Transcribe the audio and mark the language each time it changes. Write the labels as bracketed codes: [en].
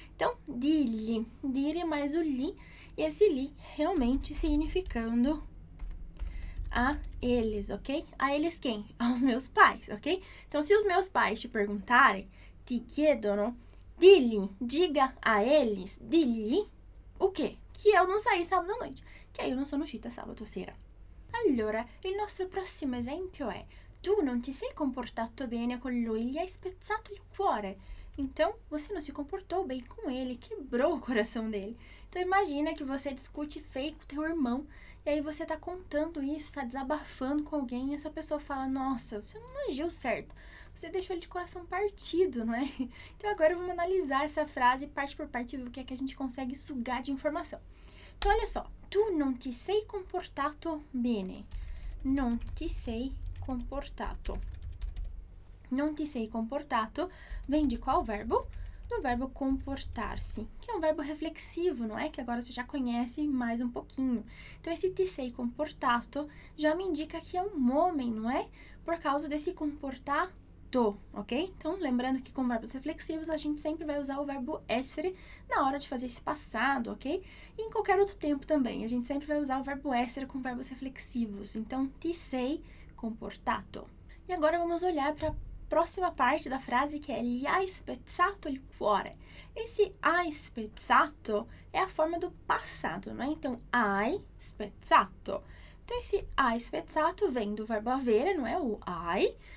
[pt] Então, dili, dire mais o li, e esse li realmente significando a eles, ok? A eles quem? Aos meus pais, ok? Então, se os meus pais te perguntarem, [it] ti chiedono, [pt] dili, diga a eles, dili, o quê? Que eu não saí sábado à noite. Que aí eu não sou [it] uscita sábado sera. Allora, il nostro prossimo esempio è: tu non ti sei comportato bene con lui, gli hai spezzato il cuore. [pt] Então, você não se comportou bem com ele, quebrou o coração dele. Então, imagina que você discute feio com teu irmão, e aí você tá contando isso, tá desabafando com alguém, e essa pessoa fala: nossa, você não agiu certo. Você deixou ele de coração partido, não é? Então agora vamos analisar essa frase parte por parte e ver o que é que a gente consegue sugar de informação. [it] Então olha só, tu non ti sei comportato bene. Non ti sei comportato. Non ti sei comportato [pt] vem de qual verbo? Do verbo comportar-se, que é um verbo reflexivo, não é? Que agora você já conhece mais um pouquinho. Então esse [it] ti sei comportato [pt] já me indica que é um homem, não é? Por causa desse comportar. Tô, ok? Então, lembrando que com verbos reflexivos a gente sempre vai usar o verbo essere na hora de fazer esse passado, ok? E em qualquer outro tempo também, a gente sempre vai usar o verbo essere com verbos reflexivos. [it] Então, ti sei comportato. [pt] E agora vamos olhar para a próxima parte da frase que é [it] gli hai spezzato il cuore. [pt] Esse [it] hai spezzato [pt] é a forma do passado, não é? Então, [it] hai spezzato. [pt] Então, esse hai spezzato vem do verbo avere, não é? O hai.